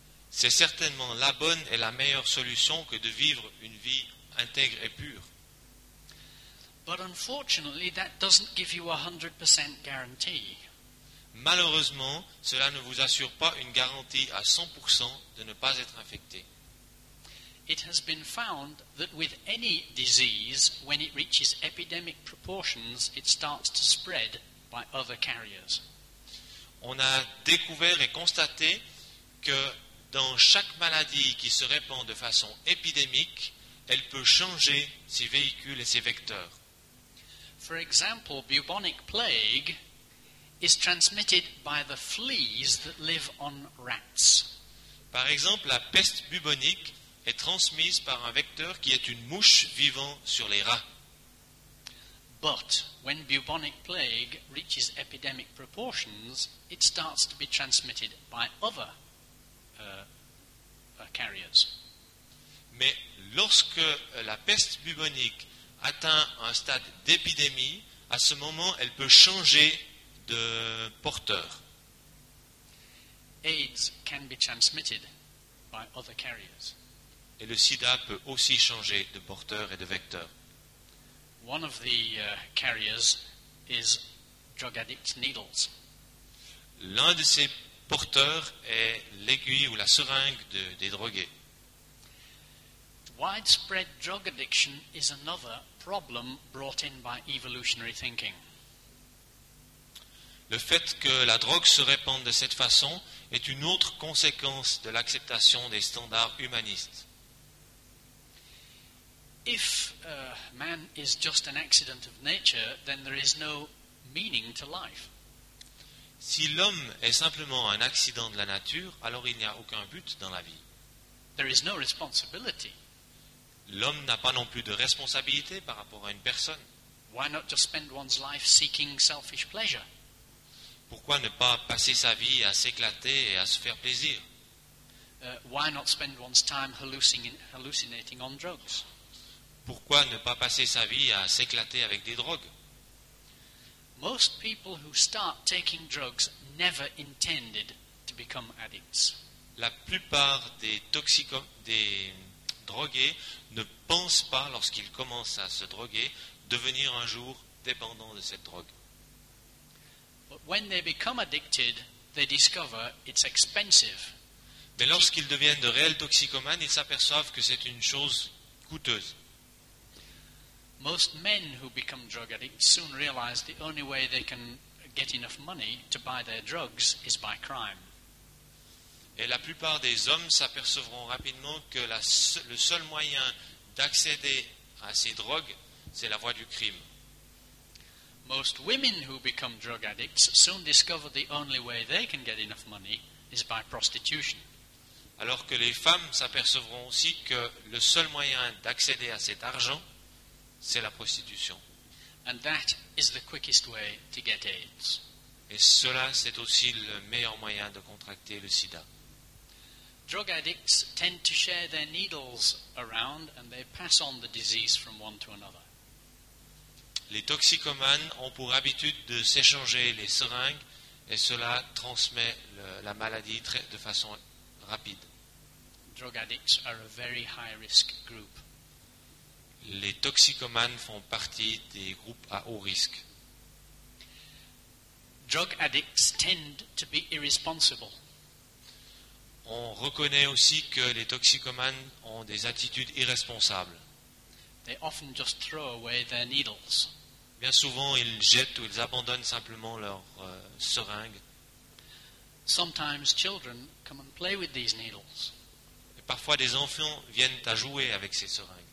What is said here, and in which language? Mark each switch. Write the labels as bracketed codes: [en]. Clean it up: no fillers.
[fr] C'est certainement la bonne et la meilleure solution que de vivre une vie intègre et pure. [en] But unfortunately, that doesn't give you 100% guarantee. [fr] Malheureusement, cela ne vous assure pas une garantie à 100% de ne pas être infecté. [en] It has been found that with any disease, when it reaches epidemic proportions, it starts to spread by other carriers. [fr] On a découvert et constaté que dans chaque maladie qui se répand de façon épidémique, elle peut changer ses véhicules et ses vecteurs. [en] For example, bubonic plague is transmitted by the fleas that live on rats. [fr] Par exemple, la peste bubonique est transmise par un vecteur qui est une mouche vivant sur les rats. [en] But when bubonic plague reaches epidemic proportions, it starts to be transmitted by other carriers. [fr] Mais lorsque la peste bubonique atteint un stade d'épidémie, à ce moment, elle peut changer de porteur. [en] AIDS can be transmitted by other carriers. [fr] Et le sida peut aussi changer de porteur et de vecteur. [en] One of the carriers is drug addict needles. [fr] L'un de ces porteurs est l'aiguille ou la seringue des drogués. [en] Widespread drug addiction is another problem brought in by evolutionary thinking. [fr] Le fait que la drogue se répande de cette façon est une autre conséquence de l'acceptation des standards humanistes. [en] If man is just an accident of nature, then there is no meaning to life. [fr] Si l'homme est simplement un accident de la nature, alors il n'y a aucun but dans la vie. [en] There is no responsibility. [fr] L'homme n'a pas non plus de responsabilité par rapport à une personne. [en] Why not just spend one's life seeking selfish pleasure? [fr] Pourquoi ne pas passer sa vie à s'éclater et à se faire plaisir? [en] Why not spend one's time hallucinating on drugs? [fr] Pourquoi ne pas passer sa vie à s'éclater avec des drogues? [en] Most people who start taking drugs never intended to become addicts. [fr] La plupart des drogués ne pensent pas, lorsqu'ils commencent à se droguer, devenir un jour dépendant de cette drogue. [en] But when they become addicted, they discover it's expensive. [fr] Mais lorsqu'ils deviennent de réels toxicomanes, ils s'aperçoivent que c'est une chose coûteuse. [en] Most men who become drug addicts soon realize the only way they can get enough money to buy their drugs is by crime. [fr] Et la plupart des hommes s'apercevront rapidement que le seul moyen d'accéder à ces drogues, c'est la voie du crime. [en] Most women who become drug addicts soon discover the only way they can get enough money is by prostitution. [fr] Alors que les femmes s'apercevront aussi que le seul moyen d'accéder à cet argent, c'est la prostitution. [en] And that is the quickest way to get AIDS. [fr] Et cela, c'est aussi le meilleur moyen de contracter le sida. [en] Drug addicts tend to share their needles around and they pass on the disease from one to another. [fr] Les toxicomanes ont pour habitude de s'échanger les seringues et cela transmet la maladie de façon rapide. [en] Drug addicts are a very high risk group. [fr] Les toxicomanes font partie des groupes à haut risque. [en] Drug addicts tend to be irresponsible. [fr] On reconnaît aussi que les toxicomanes ont des attitudes irresponsables. [en] They often just throw away their needles. [fr] Bien souvent, ils jettent ou ils abandonnent simplement leurs seringues. [en] Sometimes children come and play with these needles. [fr] Et parfois, des enfants viennent à jouer avec ces seringues.